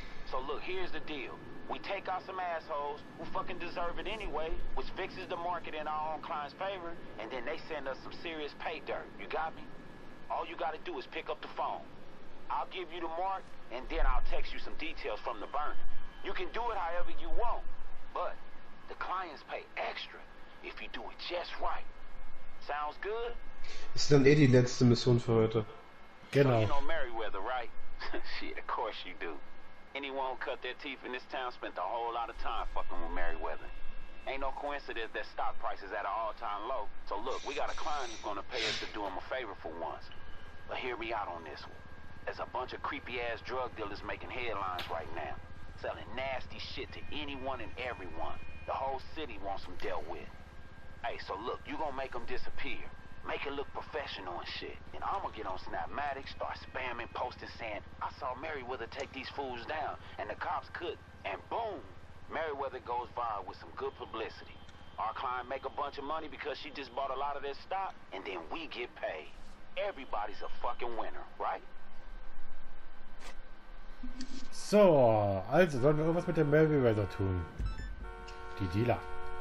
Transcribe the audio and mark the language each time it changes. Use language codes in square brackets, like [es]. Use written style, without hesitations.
[en] So look, here's the deal. We take out some assholes who fucking deserve it anyway, which fixes the market in our own clients' favor, and then they send us some serious pay dirt. You got me? All you gotta do is pick up the phone. I'll give you the mark, and then I'll text you some details from the burner. You can do it however you want, but the clients pay extra if you do it just right. Sounds good? [de] Das ist dann eh die letzte Mission für heute. Genau. [en] So you know Meriwether, right? Shit, of course you do. Anyone who cut their teeth in this town spent a whole lot of time fucking with Meriwether. Ain't no coincidence that stock price is at an all-time low. So look, we got a client who's gonna pay us to do him a favor for once. But hear me out on this one. There's a bunch of creepy-ass drug dealers making headlines right now, selling nasty shit to anyone and everyone. The whole city wants them dealt with. Hey, so look, you gonna make them disappear. Make it look professional and shit. And I'm gonna get on Snapmatic, start spamming, posting, saying, I saw Meriwether take these fools down, and the cops could. And boom, Meriwether goes viral with some good publicity. Our client make a bunch of money because she just bought a lot of their stock, and then we get paid. Everybody's a fucking winner, right? [de] So, also, sollen wir irgendwas mit dem Meriwether tun? Die Dealer.